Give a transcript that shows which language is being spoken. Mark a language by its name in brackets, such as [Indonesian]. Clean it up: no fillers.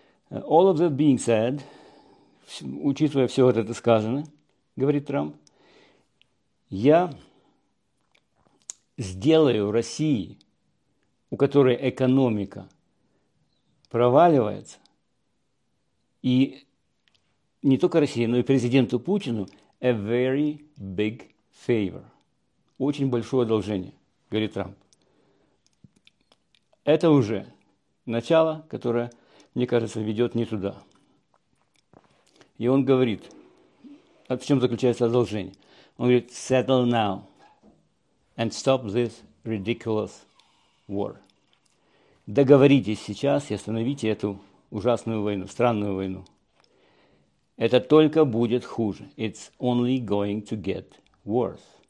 [English] All of that being said, [Russian] учитывая все вот это сказано, говорит Трамп, я сделаю России, у которой экономика проваливается, и не только России, но и президенту Путину, [English] a very big favor. [Russian] Очень большое одолжение, говорит Трамп. Это уже начало, которое, мне кажется, ведет не туда. И он говорит, в чем заключается одолжение. Он говорит, [English] settle now and stop this ridiculous war. [Russian] Договоритесь сейчас и остановите эту ужасную войну, странную войну. Это только будет хуже. [English] It's only going to get worse.